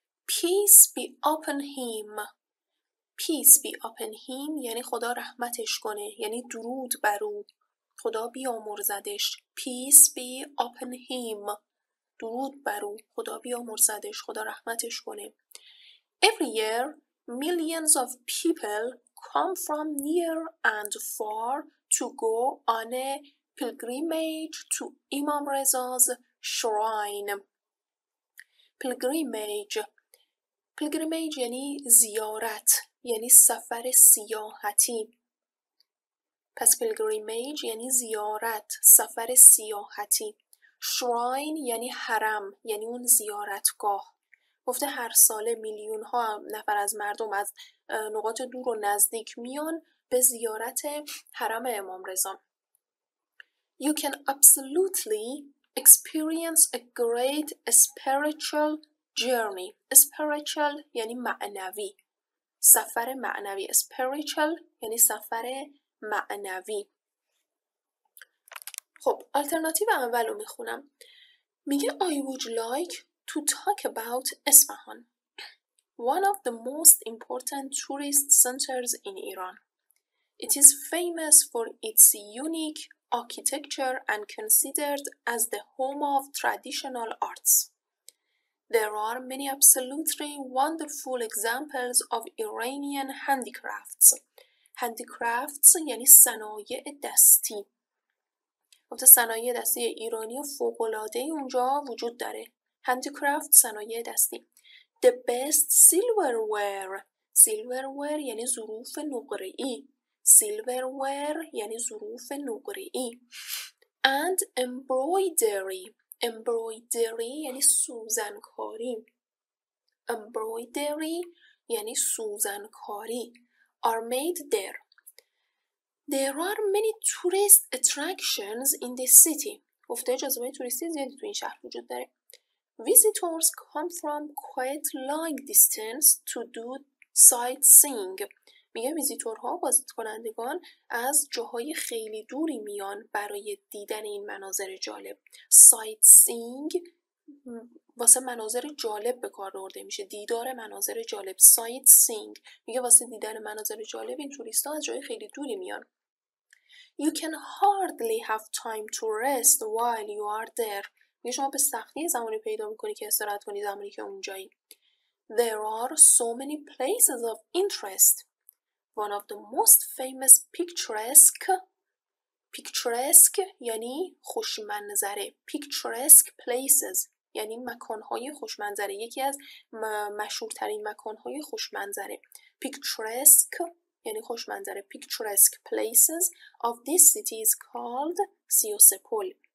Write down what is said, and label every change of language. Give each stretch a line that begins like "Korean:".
English: peace be upon him،
Persian: peace be upon him یعنی خدا رحمتش کنه، یعنی درود بر او، خدا بیامرزدش.
English: peace be upon him،
Persian: درود بر او، خدا بیامرزدش، خدا رحمتش کنه.
English: Every year millions of people come from near and far to go on a pilgrimage to امام رضا's shrine.
Persian: Pilgrimage یعنی زیارت، یعنی سفر سیاحتی. پس pilgrimage یعنی زیارت، سفر سیاحتی. شراین یعنی حرم، یعنی اون زیارتگاه. گفته هر ساله میلیون ها نفر از مردم از نقاط دور و نزدیک میان به زیارت حرم امام رضا.
English: You can absolutely experience a great spiritual journey.
Persian: Spiritual یعنی معنوی، سفر معنوی. Spiritual یعنی سفر معنوی. خب آلترناتیو اولو میخونم.
English: میگه I would like to talk about Isfahan, one of the most important tourist centers in Iran. It is famous for its unique architecture and considered as the home of traditional arts. There are many absolutely wonderful examples of Iranian handicrafts.
Persian: Handicrafts یعنی صنایع دستی. گفته صنایع دستی ایرانی و فوق‌العاده اونجا وجود داره. Handicraft صنایع دستی.
English: The best silverware.
Persian: Silverware یعنی ظروف نقره‌ای. silverware یعنی ظروف نقره‌ای،
English: and embroidery.
Persian: Embroidery یعنی سوزنکاری. Embroidery یعنی سوزنکاری.
English: Are made there. There are many tourist attractions in the city.
Persian: گفته جاذبه توریستی زیادی تو این شهر وجود داره.
English: Visitors come from quite long distance to do sightseeing.
Persian: میگه ویزیتورها، بازدیدکنندگان از جاهای خیلی دوری میان برای دیدن این مناظر جالب. Sightseeing واسه مناظر جالب به کار برده میشه، دیدار مناظر جالب. Sightseeing میگه واسه دیدن مناظر جالب این توریست ها از جای خیلی دوری میان.
English: You can hardly have time to rest while you are there.
Persian: میگه شما به سختی زمانی پیدا میکنی که استراحت کنی زمانی که اونجایی.
English: There are so many places of interest. One of the most famous picturesque
Persian: یعنی خوشمنظره. Picturesque places یعنی مکانهای خوشمنظره، یکی از مشهورترین مکانهای خوشمنظره. Picturesque یعنی خوشمنظره.
English: Picturesque places of this city is called سیوسپول.